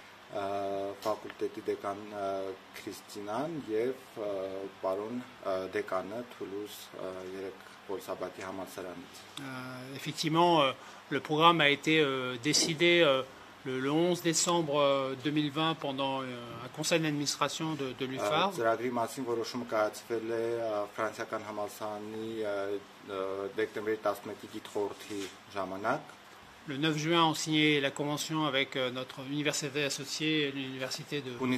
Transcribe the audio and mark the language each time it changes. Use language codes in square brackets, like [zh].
[hy] Ֆակուլտետի դեկան Քրիստինան եւ պարոն դեկանը Թուլուզ 3 Պոլ Սաբատիե համալսարանից։ [fr] Effectivement, le programme a été décidé le 11 décembre 2020 pendant un conseil d'administration de l'UFAR. [hy] Ծրագրի մասին որոշումը կայացվել է ֆրանսիական համալսարանի դեկտեմբերի 11-ի դիտորդի ժամանակ։ [fr] Le 9 juin, on signait la convention avec notre université associée, l'université de